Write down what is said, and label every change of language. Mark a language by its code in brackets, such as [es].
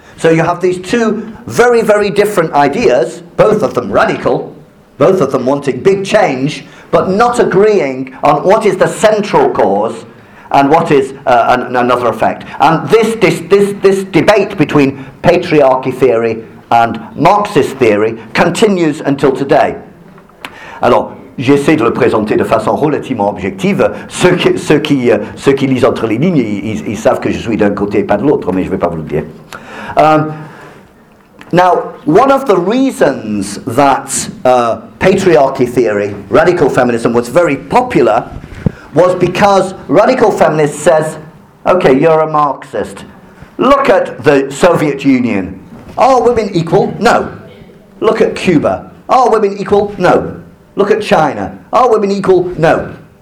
[en] So you have these two very, very different ideas, both of them radical, both of them wanting big change, but not agreeing on what is the central cause and what is another effect. And this debate between patriarchy theory and Marxist theory continues until today. [fr] Alors, j'essaie de le présenter de façon relativement objective. Ceux qui lisent entre les lignes, ils savent que je suis d'un côté et pas de l'autre, mais je ne vais pas vous le dire. [en] Now, one of the reasons that patriarchy theory, radical feminism, was very popular was because radical feminist says, okay, you're a Marxist. Look at the Soviet Union. Are women equal? No. Look at Cuba. Are women equal? No. Look at China. Are women equal? No.